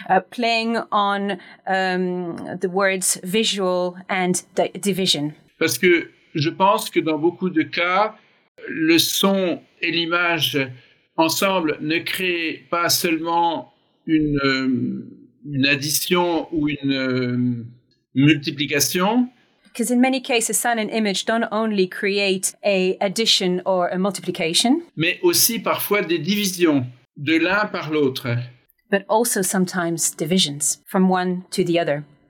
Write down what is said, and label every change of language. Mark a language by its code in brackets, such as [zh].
[en] Playing on the words visual and division. [fr] Parce que je pense que dans beaucoup de cas, le son et l'image ensemble ne créent pas seulement une addition ou une multiplication. [en] Because in many cases, sound and image don't only create a addition or a multiplication. [fr] Mais aussi parfois des divisions de l'un par l'autre. [en] But also sometimes divisions from one to the other.